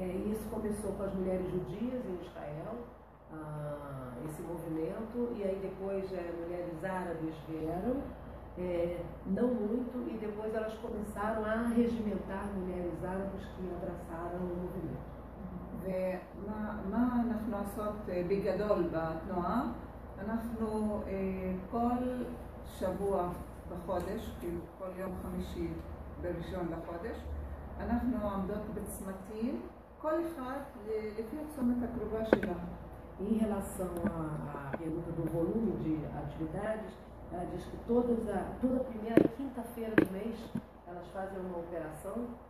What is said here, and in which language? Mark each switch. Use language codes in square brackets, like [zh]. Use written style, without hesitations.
[pt] Isso começou com as mulheres judias em Israel, esse movimento, e aí depois mulheres árabes vieram, não muito, e depois elas começaram a regimentar mulheres árabes que abraçaram o movimento. E [he] מה אנחנו עושות בגדול בתנועה? אנחנו כל שבוע בחודש, כל יום חמישי בראשון לחודש, אנחנו עומדות בצמתים, כל אחד לפי הצומת הקרובה שלה. [pt] Em relação à pergunta do volume de atividades, ela diz que toda primeira quinta-feira do mês elas fazem uma operação